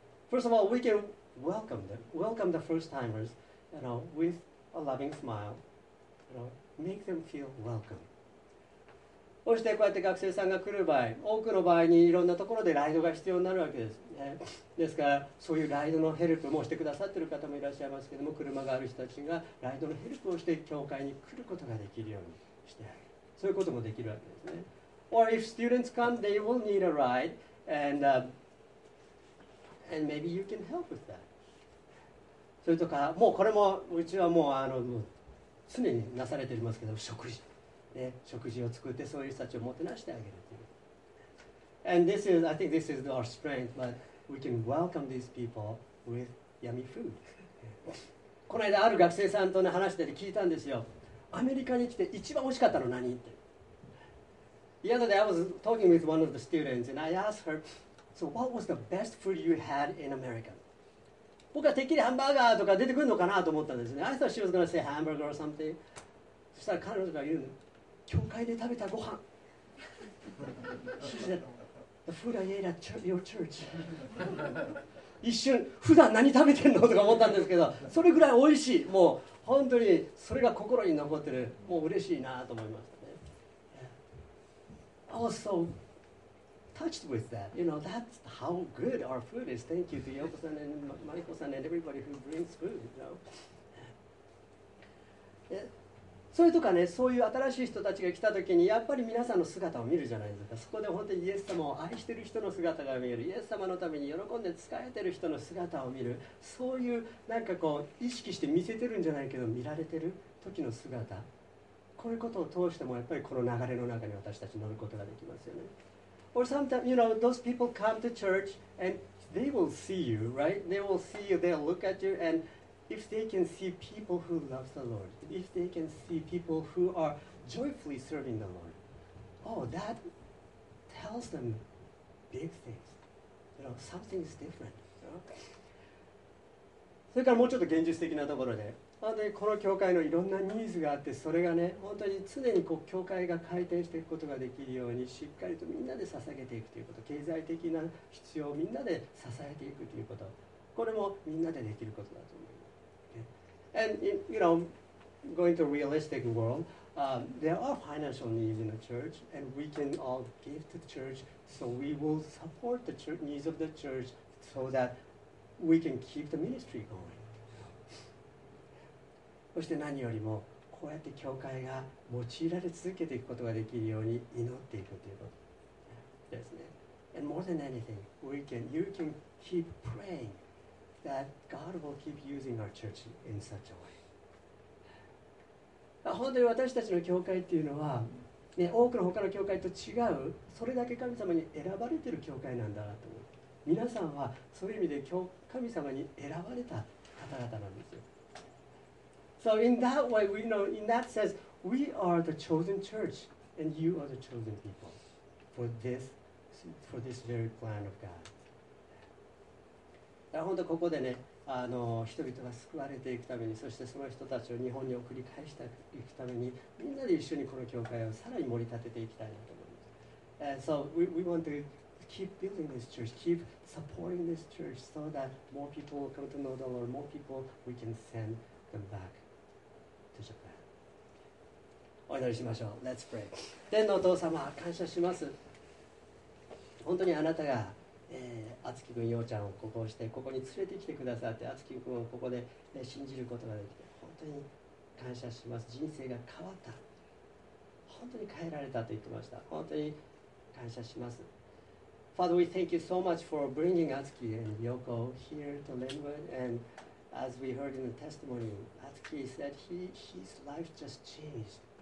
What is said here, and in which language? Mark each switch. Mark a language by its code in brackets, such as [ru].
[en] First of all, we can welcome the first timers, you know, with a loving smile, you knowMake them feel welcome. [ja] そしてこうやって学生さんが来る場合、多くの場合にいろんなところでライドが必要になるわけです、ね、ですからそういうライドのヘルプもしてくださっている方もいらっしゃいますけども、車がある人たちがライドのヘルプをして教会に来ることができるようにしてあげる、そういうこともできるわけですね。 [en] Or if students come, they will need a ride and,、and maybe you can help with that. [ja] それとかもうこれもうちはもうあの常になされていますけど、食事、ね、食事を作ってそういう人たちをもてなしてあげるという。 [en] And this is, I think this is our strength, but we can welcome these people with yummy food. [ja] この間ある学生さんと、ね、話してて聞いたんですよ。アメリカに来て一番美味しかったの何って。 [en] The other day I was talking with one of the students and I asked her, so what was the best food you had in America? [ja] 僕はてっきりハンバーガーとか出てくるのかなと思ったんですね。 [en] I thought she was gonna say hamburger or something. [ja] そしたら彼女が言うの、教会で食べたご飯。 [en] She said, the food I ate at your church. [ja] 一瞬、普段何食べてんのとか思ったんですけど、それぐらい美味しい。もう本当にそれが心に残ってる。もう嬉しいなと思いましたね。 [en] I was so touched with that. You know, that's how good our food is. Thank you to Yoko-san and Mariko-san and everybody who brings food, you know. [ja] それとかね、そういう新しい人たちが来た時にやっぱり皆さんの姿を見るじゃないですか。そこで本当にイエス様を愛してる人の姿が見える、イエス様のために喜んで仕えてる人の姿を見る、そういうなんかこう意識して見せてるんじゃないけど見られてる時の姿、こういうことを通してもやっぱりこの流れの中に私たち乗ることができますよね。 [en] Or sometimes, you know, those people come to church and they will see you, right? They will see you, they'll look at you, and if they can see people who love the Lord, if they can see people who are joyfully serving the Lord, oh, that tells them big things. You know, something is different. [ja] それからもうちょっと現実的なところで、本当にこの教会のいろんなニーズがあって、それがね、本当に常にこう教会が回転していくことができるように、しっかりとみんなで捧げていくということ、経済的な必要をみんなで支えていくということ、これもみんなでできることだと思います。 [en] And, in, you know, going to a realistic world,、there are financial needs in the church, and we can all give to the church, so we will support the church, needs of the church, so that we can keep the ministry going. [ja] そして何よりもこうやって教会が用いられ続けていくことができるように祈っていくということですね。 [en] And more than anything, you can keep praying that God will keep using our church in such a way. [ja] 本当に私たちの教会っていうのは、ね、多くの他の教会と違う、それだけ神様に選ばれている教会なんだなと思う。皆さんはそういう意味で神様に選ばれた方々なんですよ。 [en] So in that way, we know, in that sense, we are the chosen church. And you are the chosen people for this very plan of God. [ja] だから本当ここでね、あの人々が救われていくために、そしてその人たちを日本に送り返していくために、みんなで一緒にこの教会をさらに盛り立てていきたいなと思います。 [en] So we want to keep building this church, keep supporting this church so that more people will come to know the Lord, more people we can send them back to Japan. [ja] お祈りしましょう。 [en] Let's pray. [ja] 天のお父様、感謝します。本当にあなたが、あつき君、ようちゃんをここをして、ここに連れてきてくださって、あつき君をここで、信じることができて、本当に感謝します。人生が変わった。本当に変えられたと言ってました。本当に感謝します。 [en] Father, we thank you so much for bringing Atsuki and Yoko here to Linwood, and as we heard in the testimony, Atsuki said his life just changed.